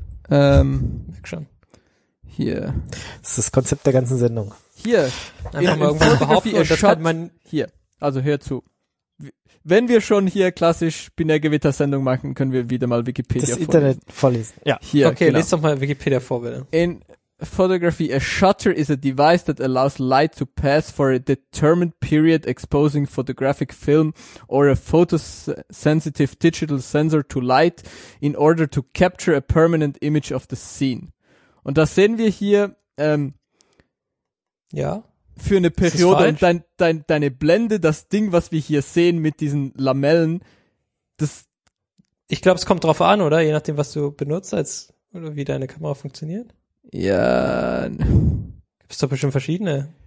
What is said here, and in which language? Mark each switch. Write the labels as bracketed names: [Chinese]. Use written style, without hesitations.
[German] Merk schon. Hier. Das ist das Konzept der ganzen Sendung. Hier. Einfach mal irgendwas behaupten und das kann man hier. Also hör zu. Wenn wir schon hier klassisch Binärgewitter-Sendung machen, können wir wieder mal Wikipedia vorlesen. Das Internet vorlesen. Ja. Hier, okay, genau. Lest doch mal Wikipedia vor, bitte. [English] In Photography, a shutter is a device that allows light to pass for a determined period exposing photographic film or a photosensitive digital sensor to light in order to capture a permanent image of the scene. [German] Und das sehen wir hier, ja, für eine Periode. Und deine Blende, das Ding, was wir hier sehen mit diesen Lamellen, das... Ich glaube, es kommt drauf an, oder? Je nachdem, was du benutzt, als oder wie deine Kamera funktioniert. Ja. Gibt es doch bestimmt verschiedene.